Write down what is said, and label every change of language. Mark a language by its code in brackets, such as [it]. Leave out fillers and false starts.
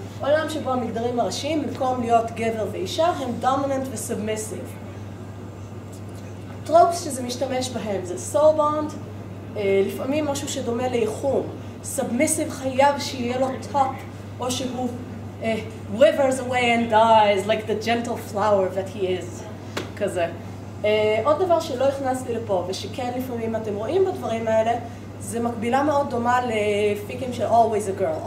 [he] עולם שבו המגדרים הראשיים, במקום להיות גבר ואישה, הם dominant ו-submissive. טרופס שזה משתמש בהם זה soul bond, לפעמים משהו שדומה ליחום, submissive חייב שיהיה לו top, או שהוא... [en] withers away and dies like the gentle flower that he is. [he] כזה. עוד דבר שלא הכנסתי לפה ושכן לפעמים אתם רואים בדברים האלה, זה מקבילה מאוד דומה לפיקים של always a girl.